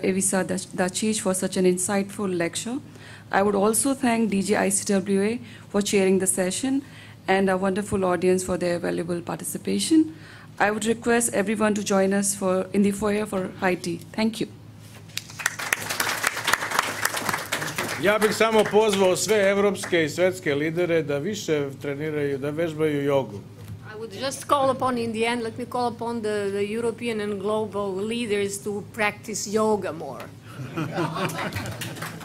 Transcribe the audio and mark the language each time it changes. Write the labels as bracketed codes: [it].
[en] Ivica Dacic for such an insightful lecture. I would also thank DG ICWA for chairing the session and our wonderful audience for their valuable participation. I would request everyone to join us in the foyer for high tea. Thank you. [sr] Ja bih samo pozvao sve evropske i svetske lidere da više treniraju, da vežbaju jogu. [en] I would just call upon, in the end, let me call upon the European and global leaders to practice yoga more.